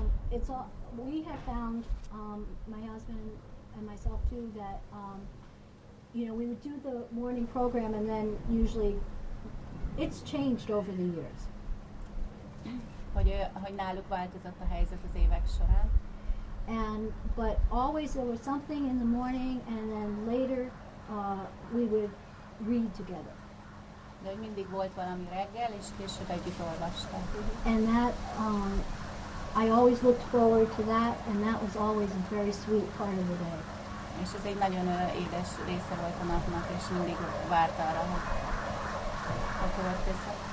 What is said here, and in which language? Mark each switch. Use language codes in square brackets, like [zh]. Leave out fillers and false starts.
[en] It's all, we have found, my husband and myself too, that, you know, we would do the morning program and then usually it's changed over the years. [hu] Hogy náluk változott a helyzet az évek során. [en] And, but always there was something in the morning and then later we would read together. [hu] De mindig volt valami reggel, és később együtt olvastam. [en] And that, I always looked forward to that, and that was always a very sweet part of the day. [hu] És ez egy nagyon édes része volt a napnak, és mindig várta arra, hogy a következő.